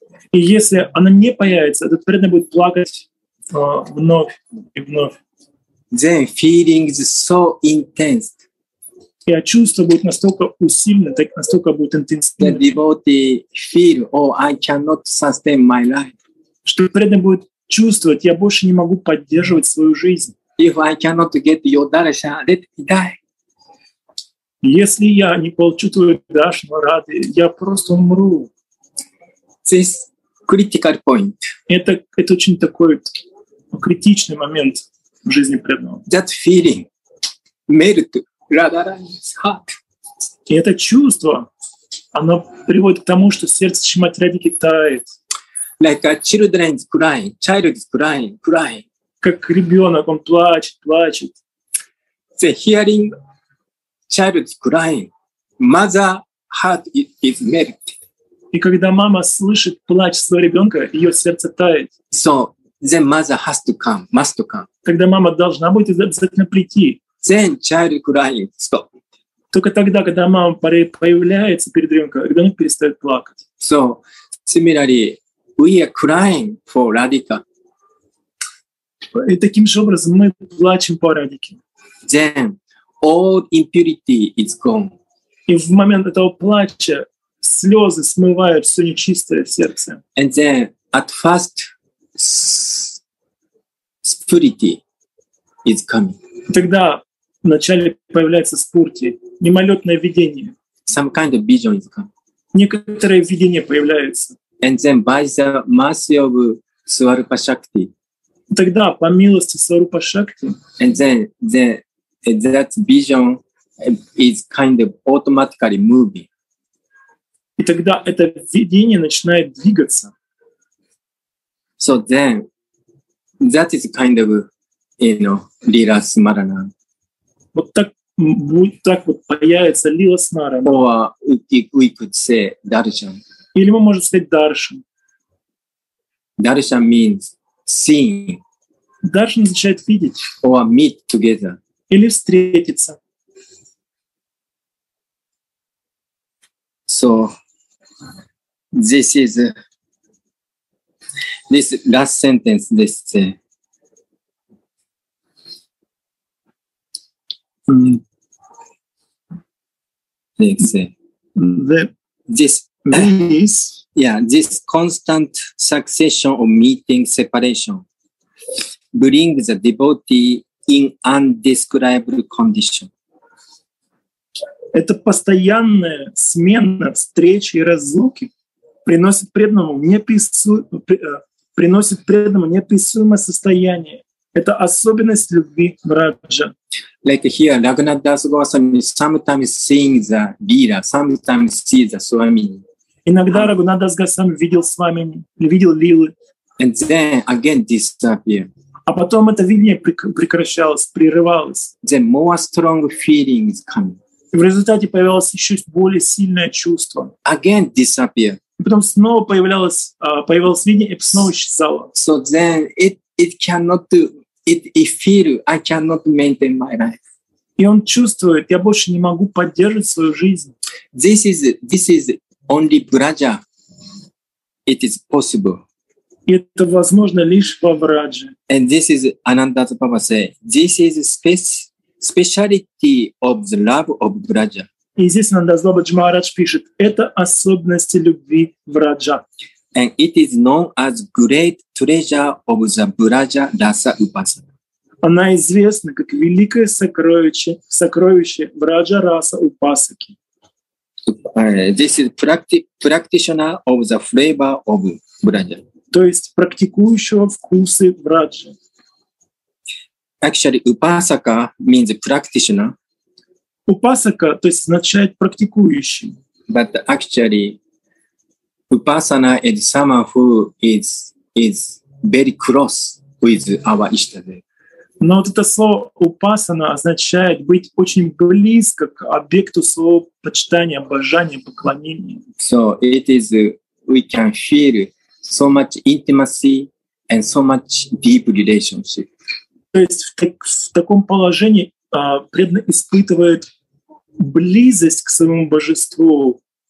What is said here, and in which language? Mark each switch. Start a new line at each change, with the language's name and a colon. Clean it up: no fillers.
Russian: И если она не появится, этот преданный будет плакать. Вновь.
English: Then feeling is so intense.
Russian: И чувство будет настолько усиленное, так настолько будет интенсивное.
English: The devotee feel, I cannot sustain my life.
Russian: Что преданный будет чувствовать, я больше не могу поддерживать свою жизнь.
English: If I cannot get your darshan, let me die.
Russian: Если я не получу твою даршану рады, я просто умру.
English: This critical point.
Russian: Это очень такой критичный момент в жизни преданного.
English: That feeling melt Radharani's heart.
Russian: И это чувство, оно приводит к тому, что сердце Шримати Радхики тает.
English: Like a children's crying, child is crying.
Russian: Как ребенок, он плачет.
English: The hearing child's crying, mother heart is melted.
Russian: И когда мама слышит плач своего ребенка, ее сердце тает.
English: So the mother has to come, must to come.
Russian: Когда мама должна будет обязательно прийти.
English: Then child crying, stop.
Russian: Только тогда, когда мама появляется перед ребенком, ребенок перестает плакать.
English: So similarly, we are crying for Radhika.
Russian: И таким же образом мы плачем по Радике.
English: Then all impurity is gone.
Russian: И в момент этого плача слезы смывают все нечистое в сердце.
English: And then at first spurity is coming.
Russian: Тогда вначале появляется спурти, мимолетное видение.
English: Some kind of vision is coming.
Russian: Некоторое видение появляется.
English: And then by the mercy of Сварупа Шакти.
Russian: Тогда по милости Сварупа Шакти.
English: And then that vision is kind of automatically moving.
Russian: И тогда это видение начинает двигаться.
English: So then that is kind of, you know, Lila Smarana.
Russian: Вот так вот появится Лила Смарана.
English: Or we could say Darshan.
Russian: Или мы можем сказать Даршан.
English: Даршан means seeing.
Russian: Даршан означает видеть.
English: Or meet together.
Russian: Или встретиться.
English: So this last sentence, this this constant succession of meeting separation brings the devotee in indescribable condition.
Russian: Это постоянная смена встреч и разлуки приносит преданному неописуемое состояние. Это особенность любви в Раджа.
English: Like here, Raghunath Das Goswami sometimes seeing the Lila, sometimes see the Swamini.
Russian: Иногда Раghunath Das Goswami видел Свамини, видел Лилы.
English: And then again disappear.
Russian: А потом это видение прекращалось, прерывалось.
English: Then more strong feeling is coming.
Russian: И в результате появилось еще более сильное чувство.
English: Again disappear.
Russian: И потом снова появилось видение и снова исчезало.
English: So then it feel I cannot maintain my life.
Russian: И он чувствует, я больше не могу поддерживать свою жизнь.
English: This is only Vraja. It is possible.
Russian: И это возможно лишь во Враджа.
English: And this is Ananda Baba said. This is space. Speciality of the love of Vraja.
Russian: И здесь Нандас Баба Джи Махарадж пишет, это особенности любви Враджа.
English: And it is known as great treasure of the Vraja Rasa Upasana.
Russian: Она известна как великое сокровище Враджа Раса Упасаки.
English: This is practitioner of the flavor of Vraja.
Russian: То есть практикующего вкусы Враджа.
English: Actually, upasaka means practitioner.
Russian: Upasaka, то есть означает практикующий.
English: But actually, upasana is someone who is very close with our Ishtadeva.
Russian: Но вот это слово upasana означает быть очень близко к объекту своего почитания, обожания, поклонения.
English: So it is we can feel so much intimacy and so much deep relationship.
Russian: То есть в таком положении преданный испытывает близость к своему божеству.